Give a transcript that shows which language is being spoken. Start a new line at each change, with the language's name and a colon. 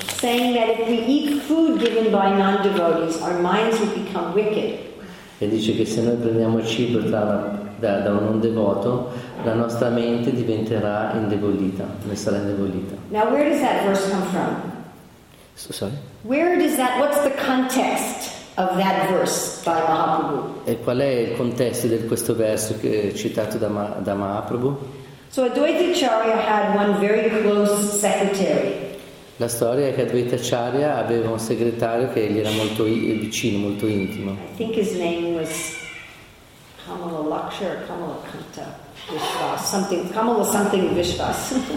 English: Saying that if we eat food given by non-devotees, our minds will become wicked.
Italian: E dice che se noi prendiamo cibo da un non devoto, la nostra mente diventerà indebolita, ne sarà indebolita.
English: Now where does that verse come from? Sorry? Where does that, what's the context of that verse by Mahaprabhu?
Italian: E qual è il contesto di questo verso che è citato da Mahaprabhu?
English: So Advaita Acharya had one very close secretary.
Italian: La storia è che Advaita Acharya aveva un segretario che gli era molto vicino, molto intimo.
English: I think his name was Kamalaksha or Kamalakanta Vishvas, Kamala something Vishvas.